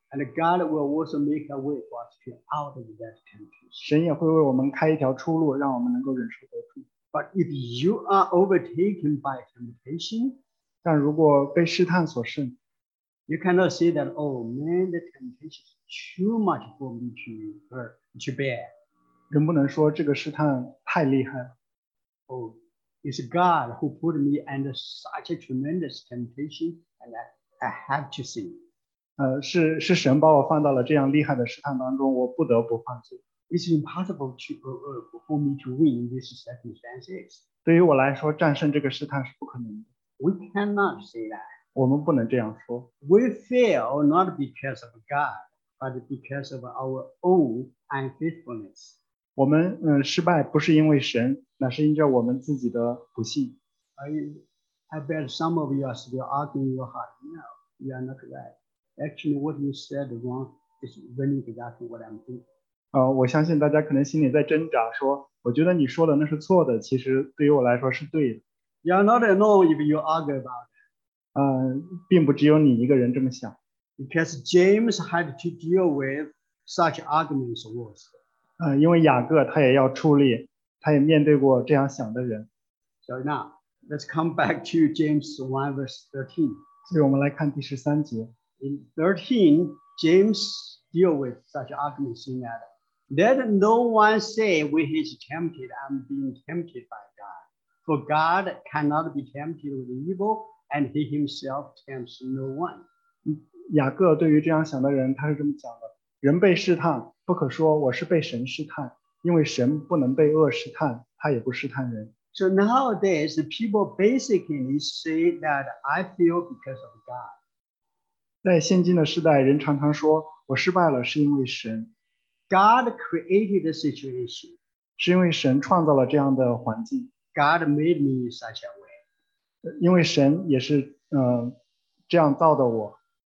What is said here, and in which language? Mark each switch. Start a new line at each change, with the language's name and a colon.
English: And God will also make a way for us to out of that temptation.
Chinese: 神也会为我们开一条出路，让我们能够忍受得住。
English: But if you are overtaken by temptation,
Chinese: 但如果被试探所胜,
English: you cannot say that, oh man, the temptation is too much for me to bear.
Chinese: 人不能说这个试探太厉害了。
English: oh, it's God who put me under such a tremendous temptation and I have to sin.
Chinese: 是神把我放到了这样厉害的试探当中，我不得不放弃。
English: It's impossible for me to win in these circumstances.
Chinese: 对于我来说，战胜这个试探是不可能的。
English: We cannot say that.
Chinese: 我们不能这样说。
English: We fail not because of God, but because of our own unfaithfulness.
Chinese: 我们失败不是因为神，乃是因着我们自己的不幸。
English: I bet some of you are still arguing in your heart. No, you are not right. Actually, what you said wrong is really exactly what I'm doing.
Chinese: 我相信大家可能心里在挣扎，说我觉得你说的那是错的，其实对于我来说是对的。
English: You are not alone if you argue about it.
Chinese: 并不只有你一个人这么想。
English: Because James had to deal with such arguments was.
Chinese: 因为雅各他也要处理，他也面对过这样想的人。
English: So now, let's come back to James 1 verse 13.
Chinese: 所以我们来看第十三节。
English: In 13, James deal with such arguments in that. Let no one say when he is tempted, I'm being tempted by God. For God cannot be tempted with evil, and he himself tempts no one.
Chinese: 雅各对于这样想的人，他是这么讲的：人被试探，不可说我是被神试探，因为神不能被恶试探，他也不试探人。
English: So nowadays, people basically say that I feel because of God.
Chinese: 在现今的时代，人常常说我失败了是因为神。
English: God created the situation.
Chinese: 是因为神创造了这样的环境。
English: God made me such a way.
Chinese: 因为神也是这样造的我。